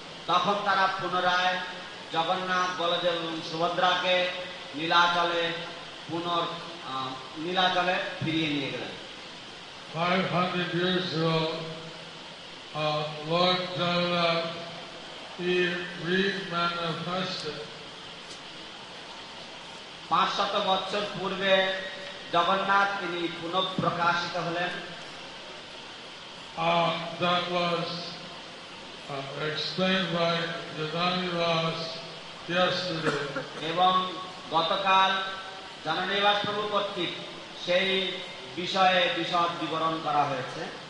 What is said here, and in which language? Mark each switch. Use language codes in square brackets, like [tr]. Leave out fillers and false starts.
[bn] তখন তারা পুনরায় জগন্নাথ বলদেব এবং সুভদ্রাকে নীলাচলে পুনর নীলাচলে ফিরিয়ে নিয়ে গেলেন। [en] 500 years ago, Lord Jagannath, he re-manifested. [bn] 500 বছর পূর্বে জগন্নাথ তিনি পুনঃপ্রকাশিত হলেন। [en] That was explained by Janani Vas yesterday. [bn] এবং গতকাল জানানি বাস প্রভু কর্তৃক সেই বিষয়ে বিশদ বিবরণ করা হয়েছে।